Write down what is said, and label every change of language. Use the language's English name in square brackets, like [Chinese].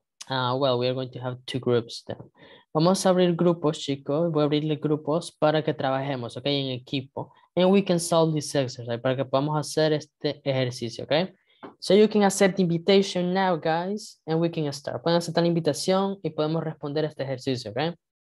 [English] Well, we are going to have two groups then. [Spanish] Vamos a abrir grupos, chicos. Voy a abrirle grupos para que trabajemos, okay? En equipo. [English] And we can solve this exercise, right? [Spanish] Para que podamos hacer este ejercicio, okay? [English] So you can accept the invitation now, guys, and we can start. [Spanish] Pueden aceptar la invitación y podemos responder este ejercicio, okay?